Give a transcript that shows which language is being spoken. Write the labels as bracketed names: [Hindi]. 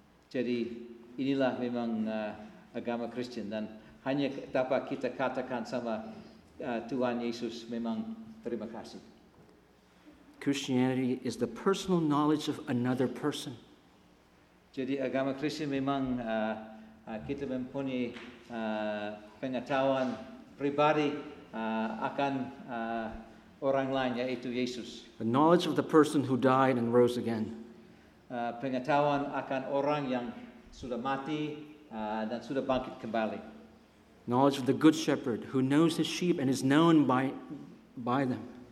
[Indonesian] Jadi inilah memang agama Kristen, dan hanya dapat kita katakan sama Tuhan Yesus memang terima kasih. [English] Christianity is the personal knowledge of another person. [Indonesian] Jadi agama Kristen memang kita mempunyai pengetahuan pribadi akan orang lain, yaitu Yesus. [English] The knowledge of the person who died and rose again. [Indonesian] Pengetahuan akan orang yang sudah mati dan sudah bangkit kembali. [English] Knowledge of the good shepherd who knows his sheep and is known by them.